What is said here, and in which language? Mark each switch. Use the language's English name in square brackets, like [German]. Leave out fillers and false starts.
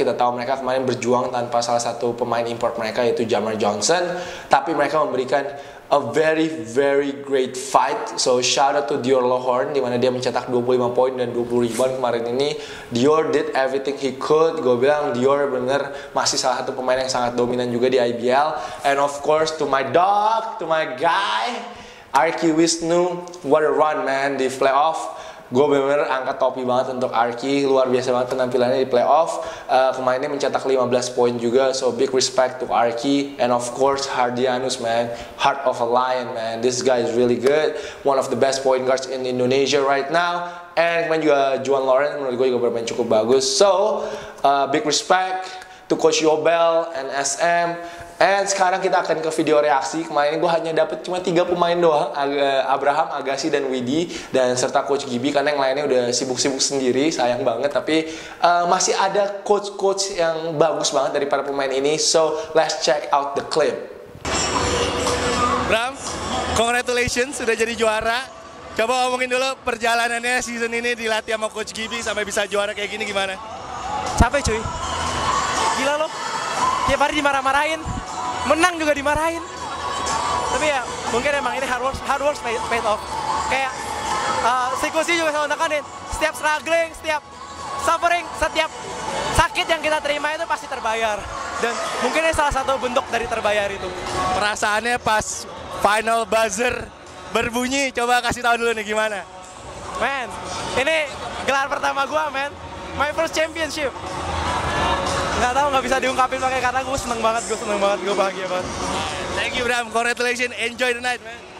[Indonesian] Kita tahu mereka kemarin berjuang tanpa salah satu pemain import mereka yaitu Jamar Johnson, tapi mereka memberikan [English] a very very great fight. So shout out to [Indonesian] Dior Lohorn, di mana dia mencetak 25 poin dan 20 rebound kemarin ini. [English] Dior did everything he could. [Indonesian] Gue bilang Dior bener masih salah satu pemain yang sangat dominan juga di IBL. [English] And of course to my dog, to my guy, RQ Wisnu, what a run man di playoff. [Indonesian] Gue bener-bener angkat topi banget untuk RQ, luar biasa banget penampilannya di playoff. Kemarinnya mencetak 15 poin juga, [English] so big respect to RQ. And of course Hardianus man, heart of a lion man. This guy is really good, one of the best point guards in Indonesia right now. And kemarin juga Juan Loren menurut gue juga bermain cukup bagus. So big respect to Coach Yobel and SM. [Indonesian] And sekarang kita akan ke video reaksi. Kemarin gue hanya dapat cuma 3 pemain doang, Abraham, Agassi, dan Widi, dan serta Coach Gibi, karena yang lainnya udah sibuk-sibuk sendiri, sayang banget. Tapi masih ada coach-coach yang bagus banget dari para pemain ini. [English] So let's check out the clip. [Indonesian] Bram, congratulations sudah jadi juara. Coba omongin dulu perjalanannya season ini dilatih sama Coach Gibi sampai bisa juara kayak gini, gimana? Capek cuy, gila lo. Tiap hari dimarah-marahin, menang juga dimarahin. Tapi ya mungkin emang ini [English] hard work paid off. [Indonesian] Kayak siklusnya juga selalu nekanin, setiap struggling, setiap suffering, setiap sakit yang kita terima itu pasti terbayar. Dan mungkin ini salah satu bentuk dari terbayar itu. Perasaannya pas final buzzer berbunyi, coba kasih tahu dulu nih gimana. Man, ini gelar pertama gua, man. [English] My first championship. [Indonesian] Nggak tahu, nggak bisa diungkapin pakai kata. Gue seneng banget, gue seneng banget, gue bahagia banget. [English] Thank you Bram, congratulations, enjoy the night man.